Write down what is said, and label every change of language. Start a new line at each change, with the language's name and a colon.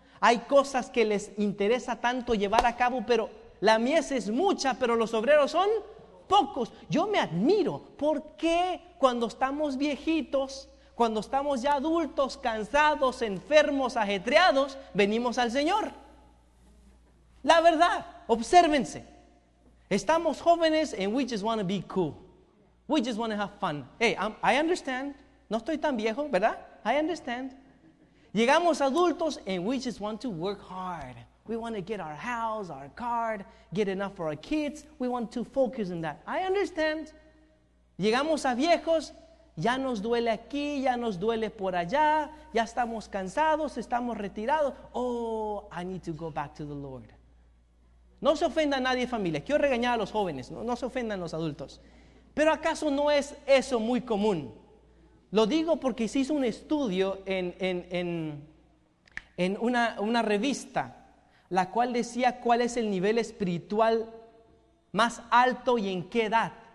Spanish: Hay cosas que les interesa tanto llevar a cabo, pero la mies es mucha, pero los obreros son pocos. Yo me admiro, porque cuando estamos viejitos, cuando estamos ya adultos, cansados, enfermos, ajetreados, venimos al Señor. La verdad, obsérvense. Estamos jóvenes
English: and we just want to be cool. We just want to have fun. Hey, I understand.
Spanish: No estoy tan viejo, ¿verdad?
English: I understand.
Spanish: Llegamos adultos
English: and we just want to work hard. We want to get our house, our car, get enough for our kids. We want to focus on that. I understand.
Spanish: Llegamos a viejos. Ya nos duele aquí, ya nos duele por allá, ya estamos cansados, estamos retirados.
English: Oh, I need to go back to the Lord.
Spanish: No se ofenda a nadie, familia. Quiero regañar a los jóvenes, no se ofendan los adultos. Pero ¿acaso no es eso muy común? Lo digo porque se hizo un estudio en una revista, la cual decía cuál es el nivel espiritual más alto y en qué edad.